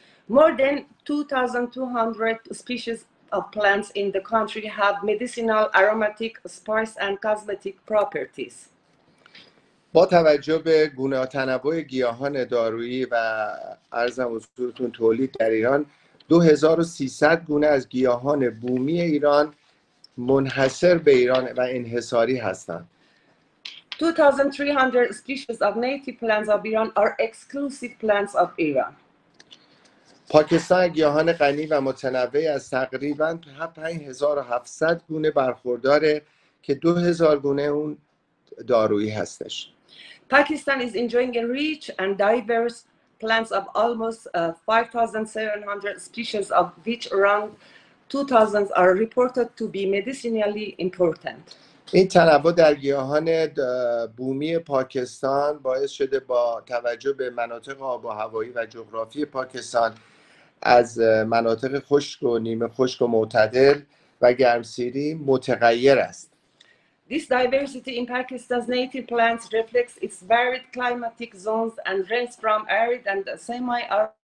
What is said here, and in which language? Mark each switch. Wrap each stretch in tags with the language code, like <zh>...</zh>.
<en>More than 2200 species of plants in the country have medicinal, aromatic, spice and cosmetic properties.</en> <fa>با توجه به گونه تنوع گیاهان دارویی و عرضم حضورتون تولید در ایران 2300 گونه از گیاهان بومی ایران منحصر به ایران و انحصاری هستند.</fa> <en>2300 species of native plants of Iran are exclusive plants of Iran.</en> <fa>پاکستان گیاهان غنی و متنوع از تقریبا 5700 گونه برخورداره که 2000 گونه اون دارویی هستش.</fa> <en>Pakistan is enjoying a rich and diverse plants of almost 5700 species of which around 2000 are reported to be medicinally important.</en> <fa>این تنوع در گیاهان بومی پاکستان باعث شده با توجه به مناطق آب و هوایی و جغرافی پاکستان از مناطق خشک و نیمه خشک و معتدل و و گرمسیری متغیر است.</fa> <en>This diversity in Pakistan's native plants reflects its varied climatic zones and range from arid and semi-arid.</en>